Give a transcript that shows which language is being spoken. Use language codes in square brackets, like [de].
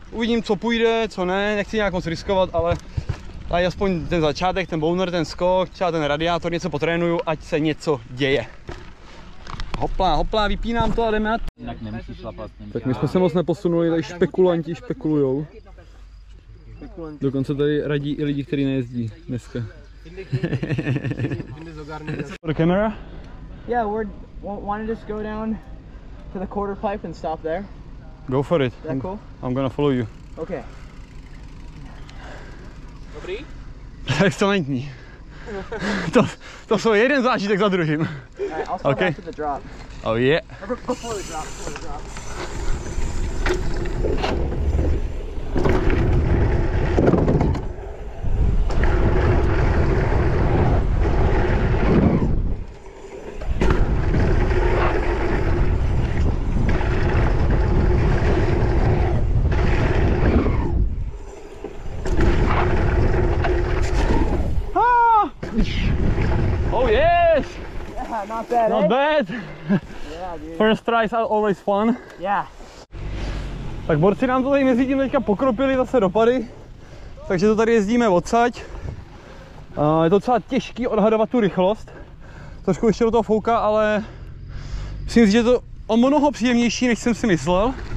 [cs] Uvidím, co půjde, co ne, nechci nějak moc riskovat, ale tady aspoň ten začátek, ten boner, ten skok, třeba ten radiátor, něco potrénuju, ať se něco děje. Hopla, vypínám to a jdeme na to. Tak my jsme se moc neposunuli, tady špekulanti špekulujou. Dokonce tady radí i lidi, kteří nejezdí dneska. [en] For the camera? Yeah, we wanted to just go down to the quarter pipe and stop there. Go for it. That cool? I'm gonna follow you. Okay. [cs] Dobrý? Excelentní. To jsou jeden zážitek za druhým. [en] Okay. I'll start back to the drop. Oh yeah. Before the drop. Thank you. not bad. Not bad. Yeah, dude. First tries are always fun. Yeah. [cs] Tak borci nám to tady mezi tím teďka pokropili zase do pady. Takže to tady jezdíme odsaď. Je to docela těžký odhadovat tu rychlost. Trošku ještě do toho fouká, ale myslím si, že je to o mnoho příjemnější, než jsem si myslel.